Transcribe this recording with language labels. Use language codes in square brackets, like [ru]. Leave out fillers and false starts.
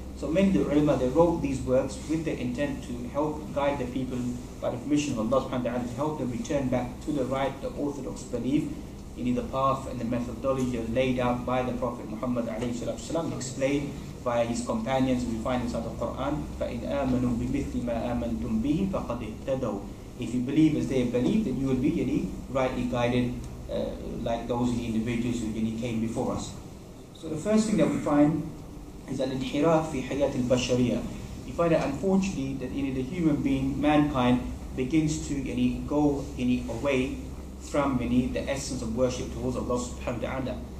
[en] So many of the ulama, they wrote these works with the intent to help guide the people by the permission of Allah subhanahu wa ta'ala, to help them return back to the right, the orthodox belief in the path and the methodology laid out by the Prophet Muhammad alayhi salatu wasalam, explained by his companions. [ar] We find inside the Quran, فَإِنْ آمَنُوا بِمِثْلِ مَا آمَنْتُمْ بِهِ فَقَدْ اِهْتَدَوْا. [en] If you believe as they believe, then you will be rightly guided like those individuals who came before us. So the first thing that we find is al-inhiraf fi hayat al-bashariya. You find that unfortunately that the human being, mankind, begins to go away from the essence of worship towards Allah subhanahu wa ta'ala.